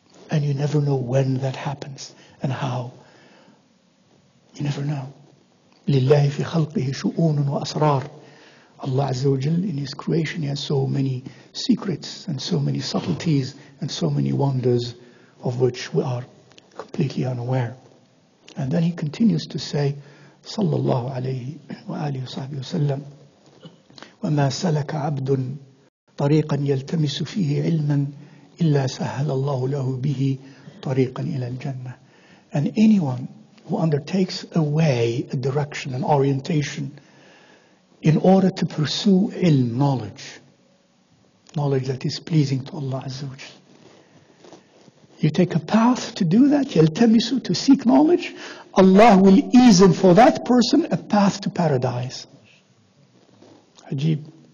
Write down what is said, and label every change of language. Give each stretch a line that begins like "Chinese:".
English: And you never know when that happens and how. You never know.
Arabic: لِلَّهِ فِي خَلْقِهِ شُؤُونٌ وَأَسْرَارٌ.
English: Allah Azza wa Jalla, in His creation, He has so many secrets and so many subtleties and so many wonders of which we are completely unaware. And then He continues to say,
Arabic: صلى الله عليه وآله وصحبه وسلم وما سلك عبد طريقا يلتمس فيه علما إلا سهل الله له به طريقا إلى الجنة.
English: And anyone who undertakes a way, a direction, an orientation in order to pursue ilm, knowledge that is pleasing to Allah Azza wa Jalla. You take a path to do that, يَلْتَمِسُ, to seek knowledge, Allah will ease for that person a path to paradise. Ajib.